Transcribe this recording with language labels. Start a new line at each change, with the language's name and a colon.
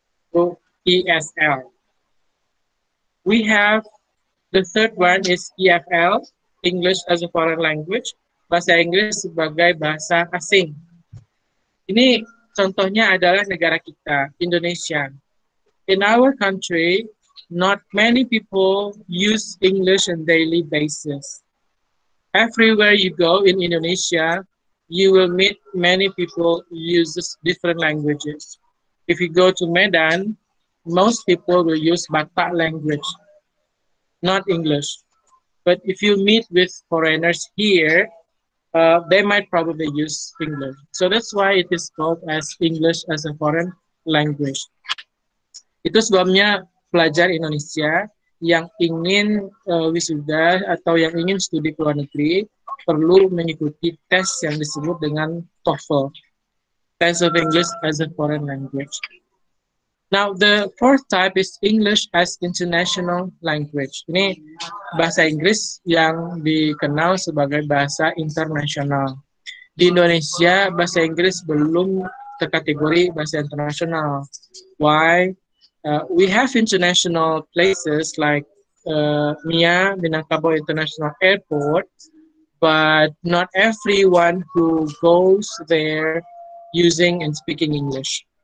English: So, ESL. We have the third one is EFL, English as a Foreign Language,
Indonesian: bahasa Inggris sebagai bahasa asing. Ini contohnya adalah negara kita, Indonesia.
English: In our country, not many people use English on daily basis. Everywhere you go in Indonesia, you will meet many people uses different languages. If you go to Medan, most people will use Batak language, not English. But if you meet with foreigners here, they might probably use English. So that's why it is called as English as a Foreign Language.
Indonesian: Itu sebabnya pelajar Indonesia yang ingin wisuda atau yang ingin studi ke luar negeri perlu mengikuti tes yang disebut dengan TOEFL, Test of English as a Foreign Language.
English: Now, the fourth type is English as International Language.
Indonesian: Ini bahasa Inggris yang dikenal sebagai bahasa internasional. Di Indonesia, bahasa Inggris belum terkategori bahasa internasional.
English: Why? We have international places like MIA, Minangkabau International Airport, but not everyone who goes there using and speaking English.